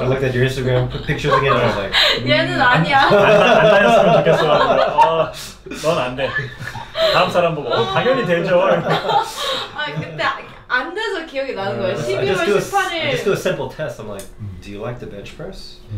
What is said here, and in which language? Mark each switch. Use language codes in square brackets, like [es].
[en] I looked at your Instagram pictures again and I was like [ko] 얘는 아니야. 안 다녔으면 좋겠어. 아, 넌 안 돼. 다음 사람 보고 당연히 되죠. 근데 안 돼서 기억이 나는 거예요. 12월 18일 [en] I just do a simple test. I'm like, do you like the bench press?